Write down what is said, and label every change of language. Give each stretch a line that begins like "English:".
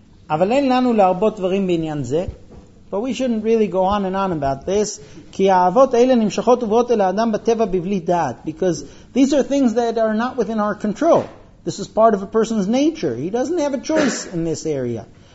Hebrew: אבל אין לנו להרבות דברים בעניין זה.
English: But we shouldn't really go on and on about this.
Hebrew: כי האהבות אלה נמשכות ובאות אל האדם בטבע בבלי דעת.
English: Because these are things that are not within our control. This is part of a person's nature. He doesn't have a choice in this area.